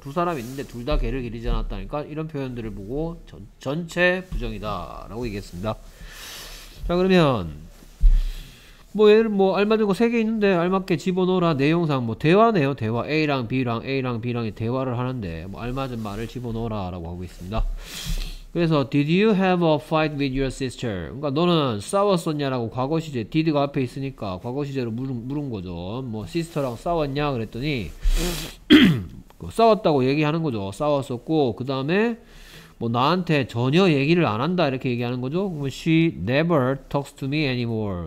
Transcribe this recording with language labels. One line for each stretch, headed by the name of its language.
Korean: 두 사람 있는데 둘 다 개를 기르지 않았다니까 이런 표현들을 보고 전체 부정이다 라고 얘기했습니다. 자, 그러면 뭐 얘를 뭐 알맞은 거 세 개 있는데 알맞게 집어넣어라. 내용상 뭐 대화네요. 대화 A랑 B랑 대화를 하는데 뭐 알맞은 말을 집어넣어라 라고 하고 있습니다. 그래서
English: Did you have a fight with your sister?
Korean: 그러니까 너는 싸웠었냐라고 과거시제 did가 앞에 있으니까 과거시제로 물은 거죠. 뭐 sister랑 싸웠냐 그랬더니 싸웠다고 얘기하는 거죠. 싸웠었고 그 다음에 뭐 나한테 전혀 얘기를 안 한다 이렇게 얘기하는 거죠. 그러면
English: She never talks to me anymore.